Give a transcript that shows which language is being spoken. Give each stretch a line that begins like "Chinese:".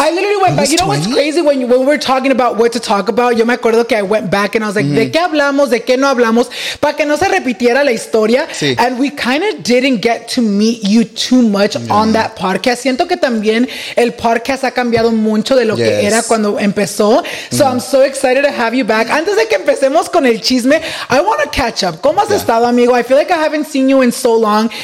English: I literally went back. You know what's crazy? When we're talking about what to talk about,
Spanish: yo me acuerdo que
English: I went back, and I was like,
Spanish: ¿de qué hablamos? ¿De qué no hablamos? Pa' que no se repitiera la historia. Sí.
English: And we kind of didn't get to meet you too much on that podcast.
Spanish: Siento que también el podcast ha cambiado mucho de lo que era cuando empezó.
English: So I'm so excited to have you back.
Spanish: Antes de que empecemos con el chisme,
English: I want to catch up.
Spanish: ¿Cómo has estado, amigo?
English: I feel like I haven't seen you in so long.